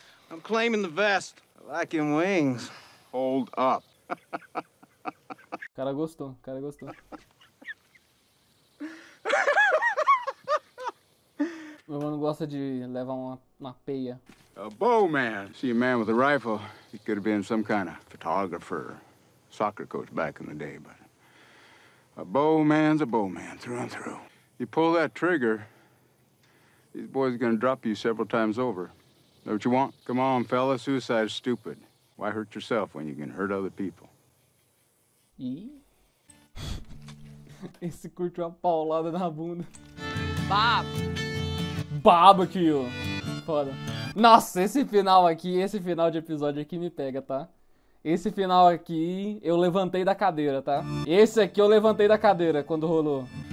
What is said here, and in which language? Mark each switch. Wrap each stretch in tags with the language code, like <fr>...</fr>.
<en>I'm claiming the vest. I like him wings. Hold up.</en> <pt>Cara gostou, cara gostou. Meu mano gosta de levar uma peia.</pt> <en>A bowman. See a man with a rifle. He could have been some kind of photographer, soccer coach back in the day, but a bowman's a bowman through and through. You pull that trigger, these boys are gonna drop you several times over. Know what you want? Come on, fella, suicide is stupid. Why hurt yourself when you can hurt other people?</en> <pt>E? Esse curtiu uma paulada na bunda. Baba, tio. Foda. Nossa, esse final aqui, esse final de episódio aqui me pega, tá? Esse final aqui, eu levantei da cadeira, tá? Esse aqui eu levantei da cadeira quando rolou.</pt>